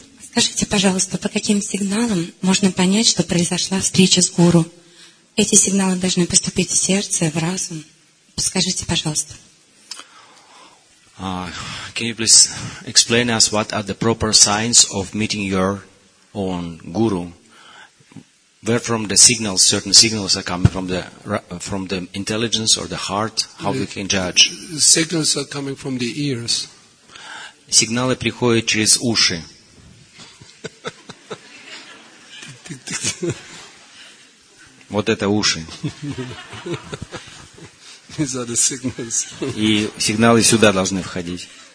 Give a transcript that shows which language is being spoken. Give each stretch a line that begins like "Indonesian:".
Russian: Скажите, пожалуйста, по каким сигналам можно понять, что произошла встреча с гуру? Эти сигналы должны поступить в сердце, в разум. Скажите, пожалуйста.
English: Can you please explain us what are the proper signs of meeting your own guru? Where from the signals, certain signals are coming from the intelligence or the heart? How we can judge? Signals are coming from the ears.
Russian: Сигналы приходят через уши. Вот это уши.
English: These are the signals.
Russian: И сигналы сюда должны входить.